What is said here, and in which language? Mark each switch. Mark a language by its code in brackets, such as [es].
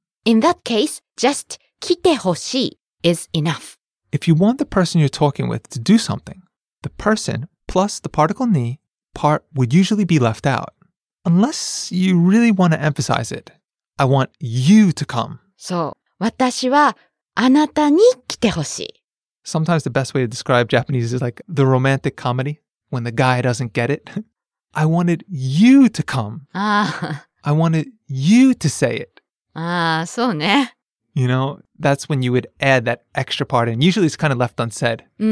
[en] In that case, just [ja] 来てほしい [en] is enough. If you want the person you're talking with to do something, the person plus the particle に part would usually be left out. Unless you really want to emphasize it, I want you to come. [ja] So, 私はあなたに来てほしい。 [en] Sometimes the best way to describe Japanese is like the romantic comedy, when the guy doesn't get it. I wanted you to come. I wanted you to say it. [ja] そうね。 [en] You know, that's when you would add that extra part in. Usually it's kind of left unsaid.